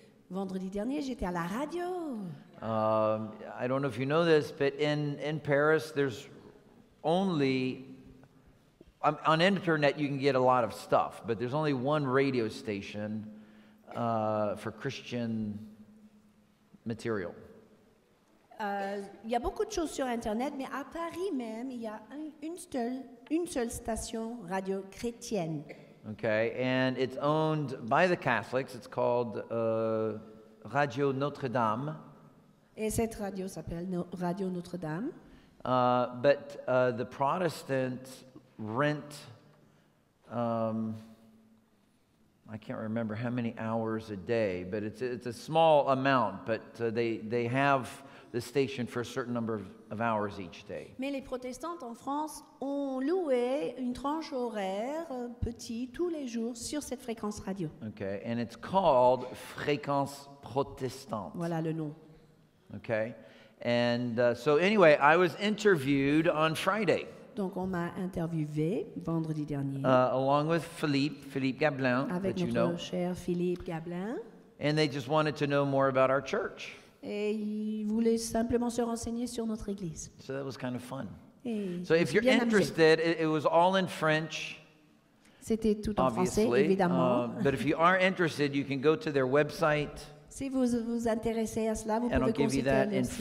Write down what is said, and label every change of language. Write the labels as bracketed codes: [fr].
[fr] Vendredi dernier, j'étais à la radio. [en] I don't know if you know this, but in Paris, there's only on internet you can get a lot of stuff, but there's only one radio station for Christian material. [fr] Il y a beaucoup de choses sur internet, mais à Paris même, il y a une seule station radio chrétienne. [en] Okay, and it's owned by the Catholics. It's called Radio Notre Dame. [fr] Et cette radio s'appelle Radio Notre Dame. [en] But the Protestants rent, I can't remember how many hours a day, but it's a small amount, but they have the station for a certain number of hours each day. [fr] Mais les protestantes en France ont loué une tranche horaire petit tous les jours sur cette fréquence radio. [en] Okay, and it's called Fréquence Protestante. [fr] Voilà le nom. [en] Okay. And so anyway, I was interviewed on Friday. [fr] Donc on m'a interviewé vendredi dernier. [en] Along with Philippe Gablin, [fr] avec [en] that [fr] notre [en] you know. [fr] Cher Philippe Gablin. [en] And they just wanted to know more about our church. [fr] Et ils voulaient simplement se renseigner sur notre église. [en] So that was kind of fun. [fr] Et [en] so if you're interested, it was all in French. [fr] C'était tout [en] obviously. [fr] En français, évidemment. [en] But if you are interested, you can go to their website. [fr] Si vous vous intéressez à cela, vous [en] and [fr] pouvez consulter leur site.